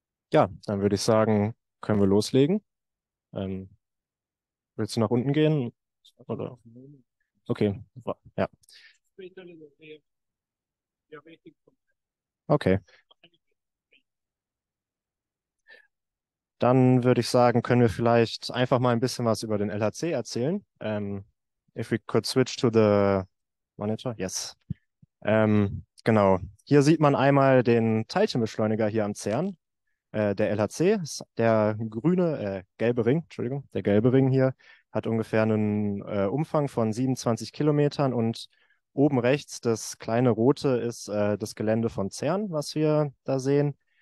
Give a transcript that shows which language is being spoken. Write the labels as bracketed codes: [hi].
[de] Ja, dann würde ich sagen, können wir loslegen? Willst du nach unten gehen? Oder? Okay, ja. Okay. Dann würde ich sagen, können wir vielleicht einfach mal ein bisschen was über den LHC erzählen. [en] If we could switch to the monitor, yes. [de] Genau. Hier sieht man einmal den Teilchenbeschleuniger hier am CERN. Der LHC, der gelbe Ring, Entschuldigung, der gelbe Ring hier, hat ungefähr einen Umfang von 27 Kilometern und oben rechts das kleine rote ist das Gelände von CERN, was wir da sehen.